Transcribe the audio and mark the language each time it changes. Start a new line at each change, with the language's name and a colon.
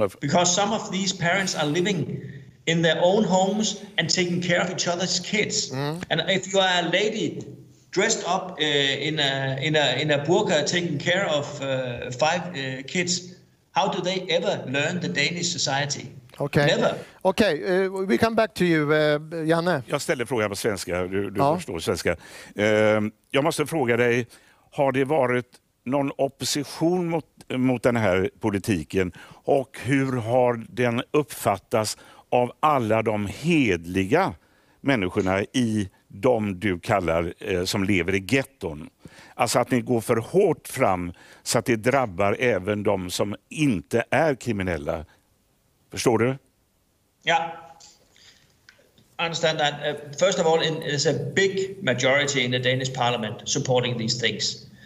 English: Because some of these parents are living in their own homes and taking care of each other's kids. Mm-hmm. And if you are a lady dressed up in a burqa taking care of five kids, how do they ever learn the Danish society? Okay. Never. Okay, we come back to you, Janne.
Swedish: Jag ställer frågan på svenska, du förstår svenska. Jag måste fråga dig, har det varit någon opposition mot den här politiken? Och hur har den uppfattats av alla de hedliga människorna i de du kallar som lever i getton? Alltså att ni går för hårt fram så att det drabbar även de som inte är kriminella. Förstår du? Ja.
English: I understand that. First of all, there's a big majority in the Danish parliament supporting these things.